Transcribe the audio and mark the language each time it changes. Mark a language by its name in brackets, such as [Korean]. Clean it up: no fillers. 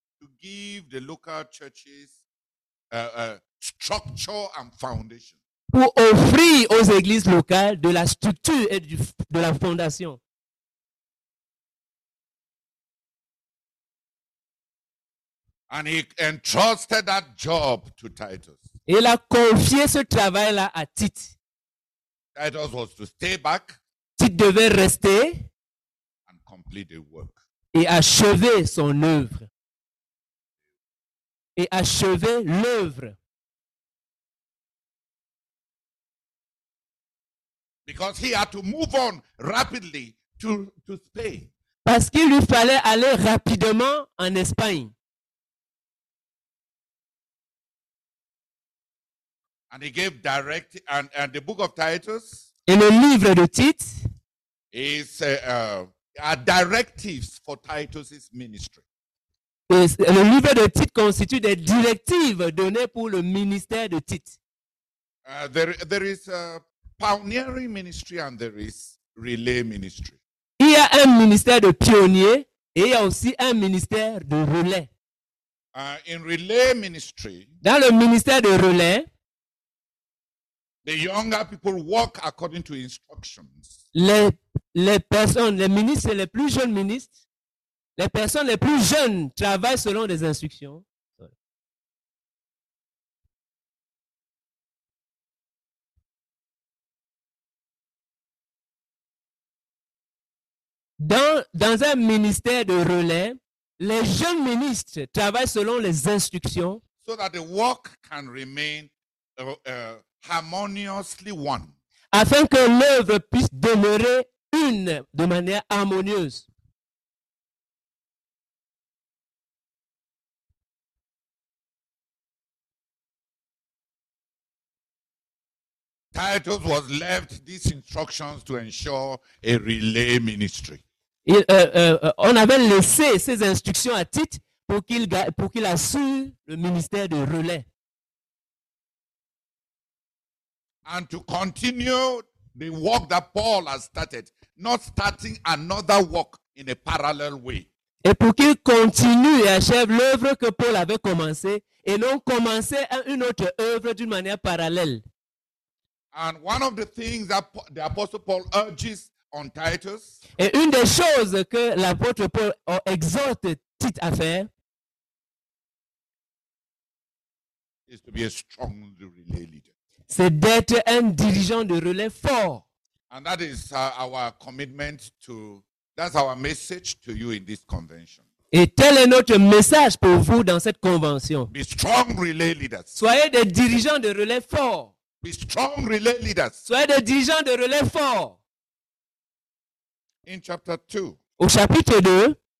[English] to give the local churches a structure and foundation, [French] pour offrir aux églises locales de la structure et de la fondation. [English] And he entrusted that job to Titus. [French] Il a confié ce travail-là à Tite. [English] Titus was to stay back. [French] Tite devait rester. [English] And complete the work. [French] Et achever son œuvre. Et achever l'œuvre. [English] Because he had to move on rapidly to Spain. [French] Parce qu'il lui fallait aller rapidement en Espagne. [English] And he gave direct and the book of Titus. [French] Et le livre de Tite [English] is are directives for Titus's ministry. [French] Le livre de Tite constitue des directives données pour le ministère de Tite. [English] There is a pioneering ministry and there is relay ministry. [French] Il y a un ministère de pionnier et il y a aussi un ministère de relais. [English] In relay ministry. [French] Dans le ministère de relais. [English] The younger people walk according to instructions. [French] Les personnes les plus jeunes travaillent selon des instructions. Dans un ministère de relais, les jeunes ministres travaillent selon les instructions. [English] So that the work can remain harmoniously one. [French] Afin que l'œuvre puisse demeurer une de manière harmonieuse. [English] Titus was left these instructions to ensure a relay ministry. [French] On avait laissé ces instructions à Tite pour qu'il assure le ministère de relais. [English] And to continue the work that Paul has started, not starting another work in a parallel way. [French] Et pour qu'il continue et achève l'œuvre que Paul avait commencé, et non commencer une autre œuvre d'une manière parallèle. [English] And one of the things that the Apostle Paul urges on Titus. [French] Et une des choses que l'apôtre Paul exhorte Tite à faire. [English] Is to be a strong relay leader. [French] C'est d'être un dirigeant de relais fort. [English] And that is our commitment to, that's our message to you in this convention. [French] Et tel est notre message pour vous dans cette convention. [English] Be strong relay leaders. [French] Soyez des dirigeants de relais fort. [English] Be strong relay leaders. [French] Soyez des dirigeants de relais fort. [English] In chapter 2. [French] Au chapitre 2.